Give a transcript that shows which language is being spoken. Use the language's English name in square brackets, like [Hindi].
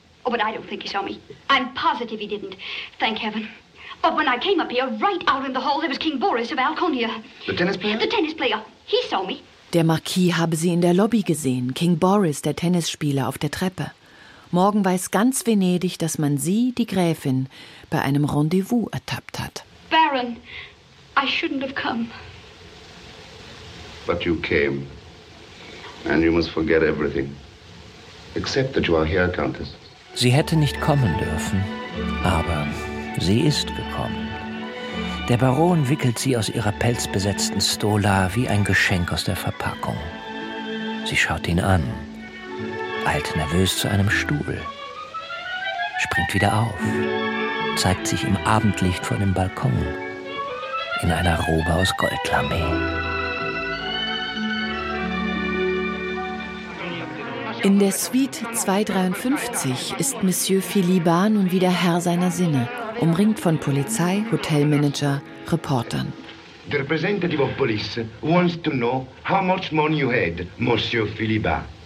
[English] Oh, but I don't think he saw me. I'm positive he didn't. Thank heaven. But when I came up here, right out in the hall, there was King Boris of Alconia. The tennis player? The tennis player. He saw me. [German] Der Marquis habe sie in der Lobby gesehen. King Boris, der Tennisspieler, auf der Treppe. Morgen weiß ganz Venedig, dass man sie, die Gräfin, bei einem Rendezvous ertappt hat. [English] Baron, I shouldn't have come. But you came. And you must forget everything. Except that you are here, Countess. [German] Sie hätte nicht kommen dürfen, aber sie ist gekommen. Der Baron wickelt sie aus ihrer pelzbesetzten Stola wie ein Geschenk aus der Verpackung. Sie schaut ihn an. Eilt nervös zu einem Stuhl, springt wieder auf, zeigt sich im Abendlicht vor dem Balkon in einer Robe aus Goldlamé. In der Suite 253 ist Monsieur Philibert nun wieder Herr seiner Sinne, umringt von Polizei, Hotelmanager, Reportern. [English] The representative of police wants to know how much money you had, Monsieur Philibert.